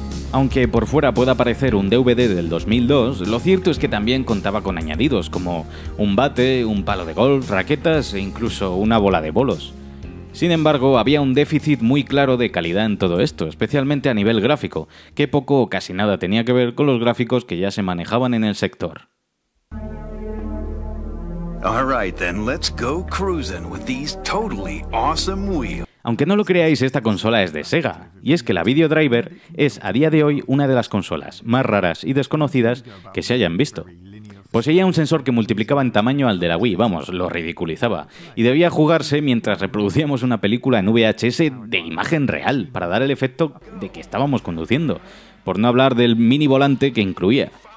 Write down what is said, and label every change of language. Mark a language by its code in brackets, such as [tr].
[es] Aunque por fuera pueda parecer un DVD del 2002, lo cierto es que también contaba con añadidos como un bate, un palo de golf, raquetas e incluso una bola de bolos. Sin embargo, había un déficit muy claro de calidad en todo esto, especialmente a nivel gráfico, que poco o casi nada tenía que ver con los gráficos que ya se manejaban en el sector. [en] All right, then, let's go cruising with these totally awesome wheels. [es] Aunque no lo creáis, esta consola es de Sega, y es que la Video Driver es a día de hoy una de las consolas más raras y desconocidas que se hayan visto. Poseía un sensor que multiplicaba en tamaño al de la Wii, vamos, lo ridiculizaba, y debía jugarse mientras reproducíamos una película en VHS de imagen real para dar el efecto de que estábamos conduciendo, por no hablar del mini volante que incluía.